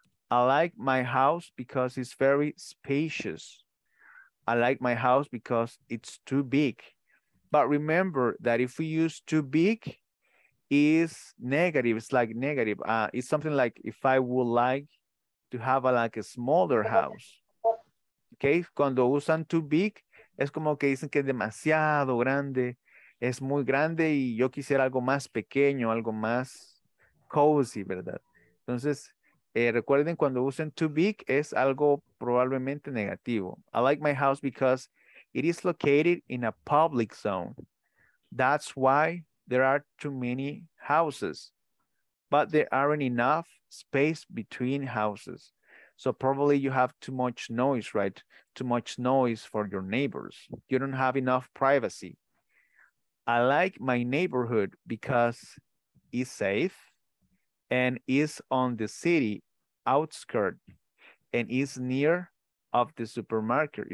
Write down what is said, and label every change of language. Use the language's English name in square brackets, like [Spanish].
[English] I like my house because it's very spacious. I like my house because it's too big. But remember that if we use too big, it's negative. It's like negative. It's something like if I would like to have a smaller house. [Spanish] Okay, cuando usan too big, es como que dicen que es demasiado grande. Es muy grande y yo quisiera algo más pequeño, algo más cozy, ¿verdad? Entonces, recuerden, cuando usen too big, es algo probablemente negativo. [English] I like my house because it is located in a public zone. That's why there are too many houses, but there aren't enough space between houses. So probably you have too much noise, right? Too much noise for your neighbors. You don't have enough privacy. I like my neighborhood because it's safe and is on the city outskirts and is near of the supermarket.